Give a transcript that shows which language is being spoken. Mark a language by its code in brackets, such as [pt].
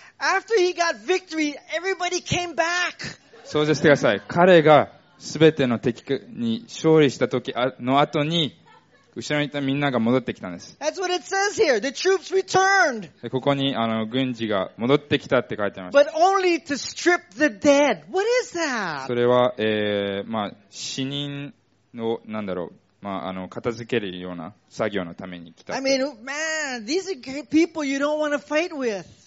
[en] After he got victory, everybody came back. [ja] 想像してください。彼が全ての敵に勝利した時の後に、後ろにいたみんなが戻ってきたんです。 [en] That's what it says here. The troops returned. [ja] ここに、軍事が戻ってきたって書いてます。 [en] But only to strip the dead. What is that? [ja] それは、まあ、死人の、なんだろう。まあ、片付けるような作業のために来た。 [en] I mean, man, these are great people you don't want to fight with.